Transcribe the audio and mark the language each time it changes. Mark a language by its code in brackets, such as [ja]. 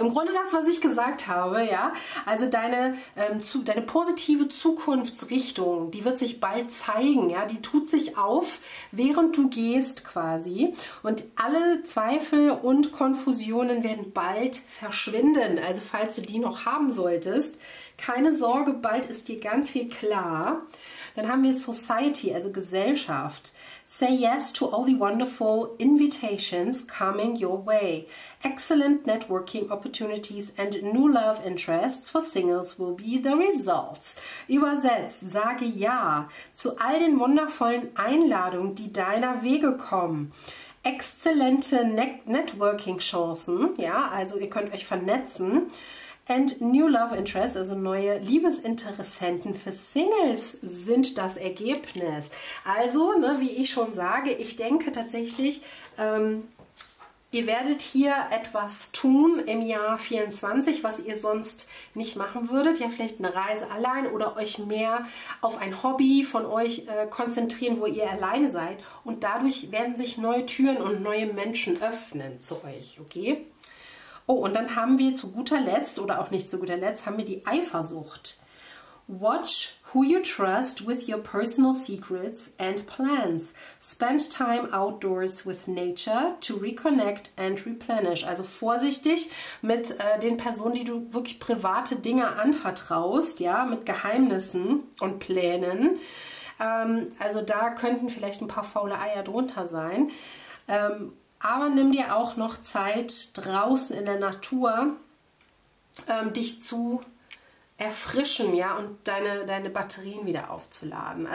[de] Im Grunde das, was ich gesagt habe, ja. Also deine positive Zukunftsrichtung, die wird sich bald zeigen, ja. Die tut sich auf, während du gehst quasi. Und alle Zweifel und Konfusionen werden bald verschwinden. Also falls du die noch haben solltest, keine Sorge, bald ist dir ganz viel klar. Dann haben wir Society, also Gesellschaft. [en] Say yes to all the wonderful invitations coming your way. Excellent networking opportunities and new love interests for singles will be the result. [de] Übersetzt, sage ja zu all den wundervollen Einladungen, die deiner Wege kommen. Exzellente Networking-Chancen, ja, also ihr könnt euch vernetzen. And new love interests, also neue Liebesinteressenten für Singles sind das Ergebnis. Also, ne, wie ich schon sage, ich denke tatsächlich, ihr werdet hier etwas tun im Jahr 24, was ihr sonst nicht machen würdet. Ja, vielleicht eine Reise allein oder euch mehr auf ein Hobby von euch konzentrieren, wo ihr alleine seid. Und dadurch werden sich neue Türen und neue Menschen öffnen zu euch, okay? Oh, und dann haben wir zu guter Letzt oder auch nicht zu guter Letzt, haben wir die Eifersucht. [en] Watch who you trust with your personal secrets and plans. Spend time outdoors with nature to reconnect and replenish. [de] Also vorsichtig mit den Personen, die du wirklich private Dinge anvertraust, ja, mit Geheimnissen und Plänen. Also da könnten vielleicht ein paar faule Eier drunter sein. Aber nimm dir auch noch Zeit, draußen in der Natur dich zu erfrischen, ja, und deine Batterien wieder aufzuladen.